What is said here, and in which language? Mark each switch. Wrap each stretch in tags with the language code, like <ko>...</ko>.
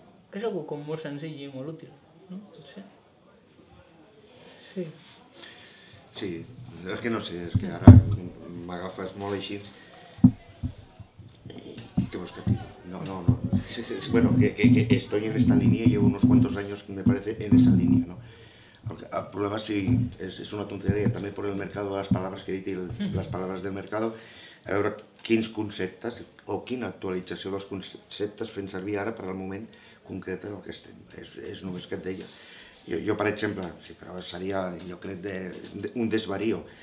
<ca>Que és algo com molt senzill i molt útil, no? Potser? Sí. Sí, és que no sé, és que ara m'agafes molt així. Què vols que et digui? No.</ca> <es>Sí, bueno, que estoy en esta línia i llevo unos cuantos años, me parece, en esa línia, no? Porque el problema sí es una tontería también por el mercado, las palabras que he dicho, las palabras del mercado,</es> <ca>a ver quins conceptes o quina actualització dels conceptes fent servir ara per al moment concret en el que estem. És només que et deia. Jo per exemple, sí, però seria, jo crec,</ca> <es>un desvarío.</es>